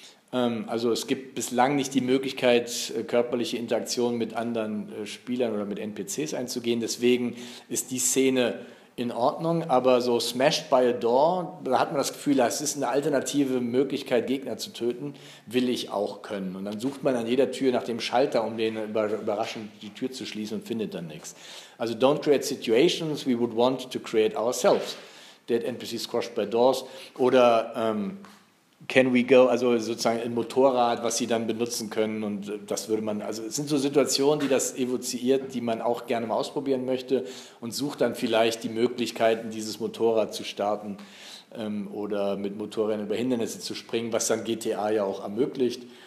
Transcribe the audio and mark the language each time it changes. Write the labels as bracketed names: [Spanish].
[German] Also es gibt bislang nicht die Möglichkeit, körperliche Interaktionen mit anderen Spielern oder mit NPCs einzugehen. Deswegen ist die Szene in Ordnung. Aber so [English] smashed by a door, [German] da hat man das Gefühl, es ist eine alternative Möglichkeit, Gegner zu töten, will ich auch können. Und dann sucht man an jeder Tür nach dem Schalter, um den überraschend die Tür zu schließen, und findet dann nichts. [English] Also don't create situations we would want to create ourselves. Dead NPC squashed by doors. [German] Oder [English] can we go, [German] also sozusagen ein Motorrad, was sie dann benutzen können. Und das würde man, also es sind so Situationen, die das evoziiert, die man auch gerne mal ausprobieren möchte, und sucht dann vielleicht die Möglichkeiten, dieses Motorrad zu starten oder mit Motorrädern über Hindernisse zu springen, was dann GTA ja auch ermöglicht.